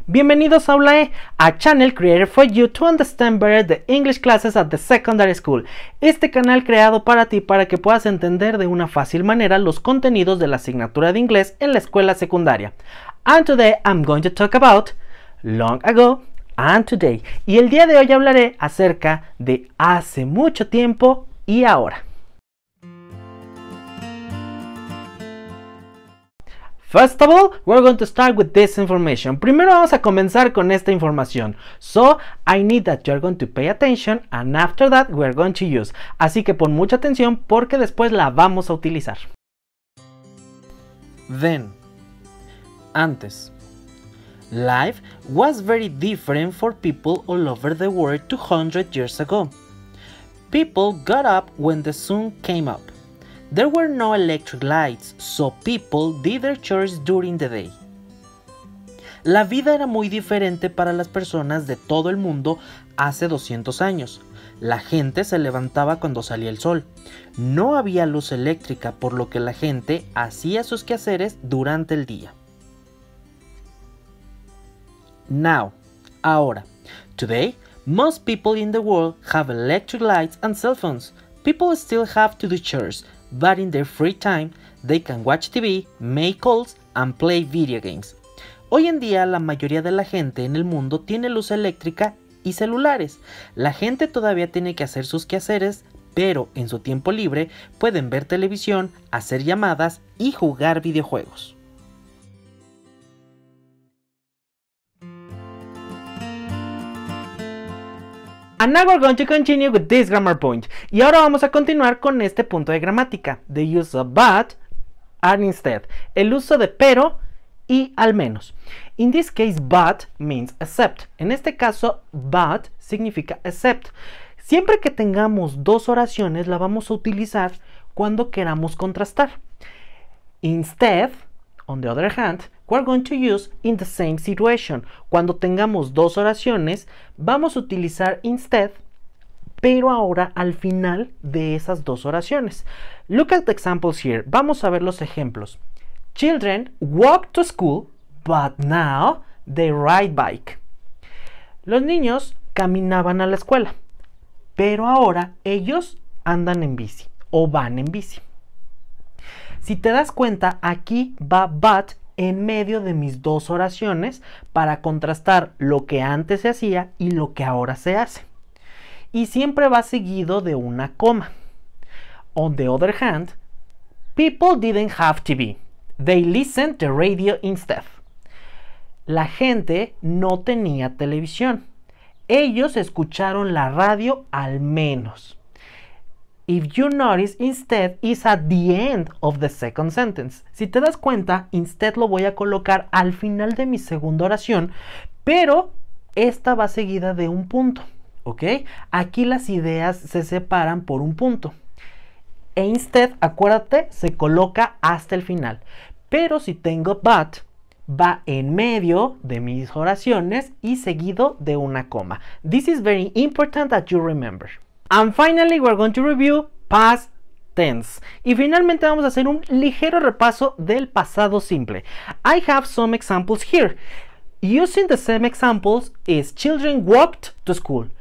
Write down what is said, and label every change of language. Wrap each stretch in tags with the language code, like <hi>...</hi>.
<es>Bienvenidos</es> <en>a Aulae, a channel created for you to understand better the English classes at the secondary school.</en> <es>Este canal creado para ti para que puedas entender de una fácil manera los contenidos de la asignatura de inglés en la escuela secundaria.</es> <en>And today I'm going to talk about long ago and today.</en> <es>Y el día de hoy hablaré acerca de hace mucho tiempo y ahora.</es> <en>First of all, we're going to start with this information.</en> <es>Primero vamos a comenzar con esta información.</es> <en>So, I need that you're going to pay attention and after that we're going to use.</en> <es>Así que pon mucha atención porque después la vamos a utilizar.</es> <en>Then,</en> <es>antes.</es> <en>Life was very different for people all over the world 200 years ago. People got up when the sun came up. There were no electric lights, so people did their chores during the day.</en> <es>La vida era muy diferente para las personas de todo el mundo hace 200 años. La gente se levantaba cuando salía el sol. No había luz eléctrica, por lo que la gente hacía sus quehaceres durante el día.</es> <en>Now,</en> <es>ahora.</es> <en>Today, most people in the world have electric lights and cell phones. People still have to do chores. But in their free time, they can watch TV, make calls, and play video games.</en> <es>Hoy en día, la mayoría de la gente en el mundo tiene luz eléctrica y celulares. La gente todavía tiene que hacer sus quehaceres, pero en su tiempo libre pueden ver televisión, hacer llamadas y jugar videojuegos.</es> <en>And now we're going to continue with this grammar point.</en> <es>Y ahora vamos a continuar con este punto de gramática.</es> <en>The use of but and instead.</en> <es>El uso de pero y al menos.</es> <en>In this case, but means except.</en> <es>En este caso,</es> <en>but significa except.</en> <es>Siempre que tengamos dos oraciones, la vamos a utilizar cuando queramos contrastar.</es> <en>Instead, on the other hand, we're going to use in the same situation.</en> <es>Cuando tengamos dos oraciones, vamos a utilizar instead, pero ahora al final de esas dos oraciones.</es> <en>Look at the examples here.</en> <es>Vamos a ver los ejemplos.</es> <en>Children walk to school, but now they ride bike.</en> <es>Los niños caminaban a la escuela, pero ahora ellos andan en bici o van en bici. Si te das cuenta, aquí va but en medio de mis dos oraciones para contrastar lo que antes se hacía y lo que ahora se hace. Y siempre va seguido de una coma.</es> <en>On the other hand, people didn't have TV. They listened to radio instead.</en> <es>La gente no tenía televisión. Ellos escucharon la radio al menos.</es> <en>If you notice, instead is at the end of the second sentence.</en> <es>Si te das cuenta, instead lo voy a colocar al final de mi segunda oración, pero esta va seguida de un punto, ¿ok? Aquí las ideas se separan por un punto. E instead, acuérdate, se coloca hasta el final. Pero si tengo but, va en medio de mis oraciones y seguido de una coma.</es> <en>This is very important that you remember. And finally, we're going to review past tense.</en> <es>Y finalmente vamos a hacer un ligero repaso del pasado simple.</es> <en>I have some examples here. Using the same examples is children walked to school.</en>